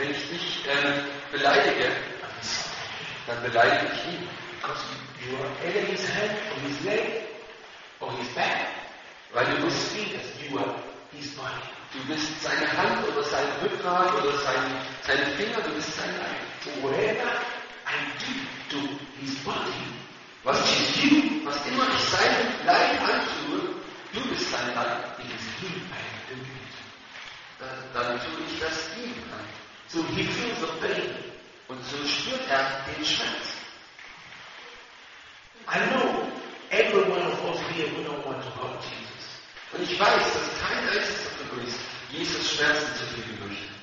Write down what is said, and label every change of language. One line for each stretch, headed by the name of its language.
German: wenn ich dich beleidige, dann beleidige ich ihn.
English: Because you are either his hand or his leg or his back.
German: Weil du bist ihn, das
English: you are his body.
German: Du bist seine Hand oder sein Rückgrat oder seine Finger, du bist sein Leib.
English: So whatever I do to his body,
German: was ich tue, was immer ich seinem Leib antue, du bist sein Leib,
English: it is him I am doing it.
German: Dann tue ich das ihm an.
English: So he feels the pain.
German: Und so spürt er den Schmerz.
English: I know everyone of us here we don't want to call Jesus.
German: Und ich weiß, dass kein einziger von uns Jesus Schmerzen zu fügen möchte.